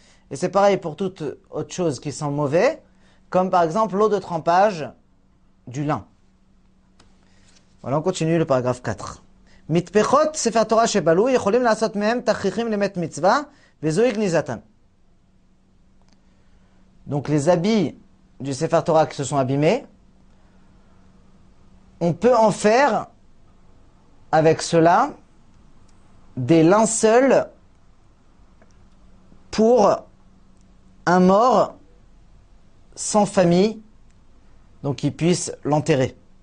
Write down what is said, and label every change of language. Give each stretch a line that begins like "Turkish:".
French: Et c'est pareil pour toute autre chose qui sent mauvais, comme par exemple l'eau de trempage du lin. Voilà, on continue le paragraphe 4.
Hebrew: מתפחות ספר תורה שבלו יכולים לעשות מהם תכריכים למת מצווה וזוהי גניזתן.
French: Donc les habits du Sefer Torah qui se sont abîmés, on peut en faire avec cela des linceuls pour un mort sans famille, donc qu'il puisse l'enterrer.